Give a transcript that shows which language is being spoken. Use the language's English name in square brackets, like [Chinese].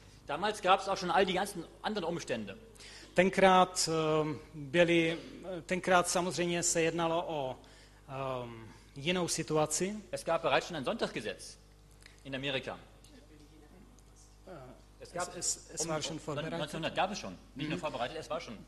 [German] Damals gab es auch schon all die ganzen anderen Umstände. [Czech] Tenkrát samozřejmě se jednalo o jinou situaci. [German] Es gab bereits schon ein Sonntagsgesetz in Amerika. Es war schon vorbereitet. 1900 gab es schon, nicht nur vorbereitet, es war schon.